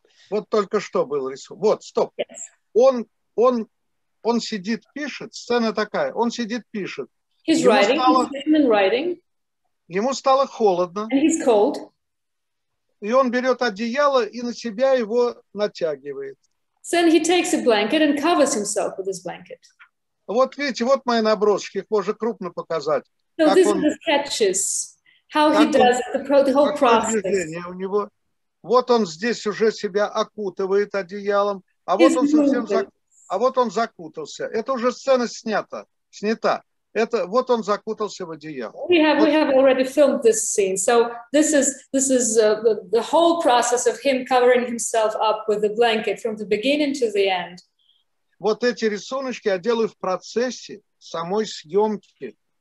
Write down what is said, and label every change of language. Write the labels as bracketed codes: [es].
[ru] Вот только что был рисунок. Вот, стоп. [en] Yes. [ru] Он сидит, пишет. Сцена такая. Он сидит, пишет. [en] He's writing. [ru] Ему стало холодно. [en] And he's cold. [ru] И он берет одеяло и на себя его натягивает. [en] So then he takes a blanket and covers himself with his blanket. [ru] Вот видите, вот мои наброски. Их можно крупно показать. [en] So [ru] как [en] these [ru] он... [en] are the sketches. How he does the whole process. [ru] У него. Вот он здесь уже себя окутывает одеялом, а вот он совсем закутался. Это уже сцена снята. Это вот он закутался в одеяло. [en] We have already filmed this scene. So this is the whole process of him covering himself up with a blanket from the beginning to the end. [ru] Вот эти рисуночки я делаю в процессе самой съемки.